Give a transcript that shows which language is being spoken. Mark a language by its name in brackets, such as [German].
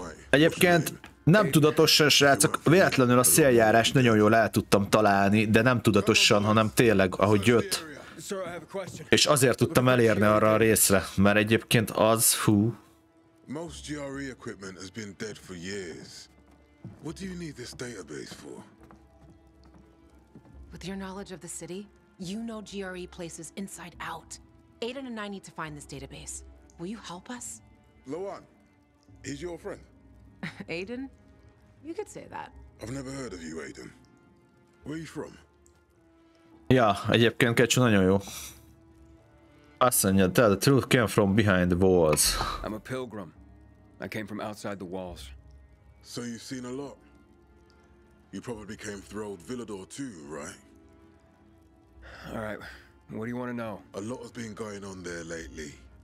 [Hungarian] Egyébként nem tudatosan, srácok, véletlenül a széljárás nagyon jól el tudtam találni, de nem tudatosan, hanem tényleg, ahogy jött. És azért tudtam elérni arra a részre, mert egyébként az, hú. [English] Most GRE equipment has been dead for years. What do you need this database for? With your knowledge of the city, you know GRE places inside out. Aiden and I need to find this database. Will you help us? Luan, he's your friend. Aiden? You could say that. I've never heard of you, Aiden. Where are you from? [Hungarian] Ja, egyébként Kecsu nagyon jó. Azt mondja, [English] tell the truth came from behind the walls. I'm a pilgrim. I came from outside the walls. So you've seen a lot. You probably came through old Villador too, right? All right, what do you want to know? A lot has been going on there lately.